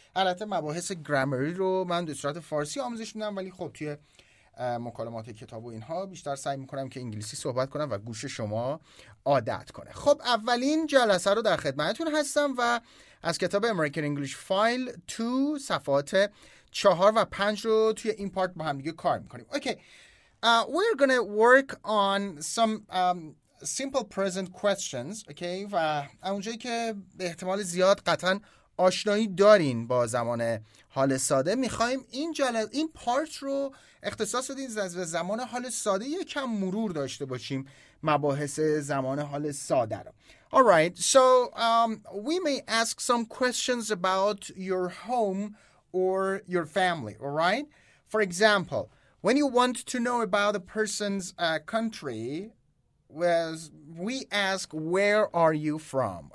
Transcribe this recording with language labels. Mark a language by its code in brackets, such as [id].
[fa] البته مباحث گرامری رو من به صورت فارسی آموزش میدم، ولی خب توی مکالمات کتاب و اینها بیشتر سعی میکنم که انگلیسی صحبت کنم و گوش شما عادت کنه. خب اولین جلسه رو در خدمتتون هستم و از کتاب American English File 2 صفحات 4 و 5 رو توی این پارت با هم دیگه کار میکنیم. [en] We're going to work on some simple present questions, okay? [fa] و اونجایی که به احتمال زیاد قطعا آشنایی دارین با زمان حال ساده، میخواییم این پارت رو اختصاص بدین به زمان حال ساده، یکم مرور داشته باشیم مباحث زمان حال ساده رو. [en] Alright, so we may ask some questions about your home or your family, alright? For example, when you want to know about a person's country, we ask, where are you from?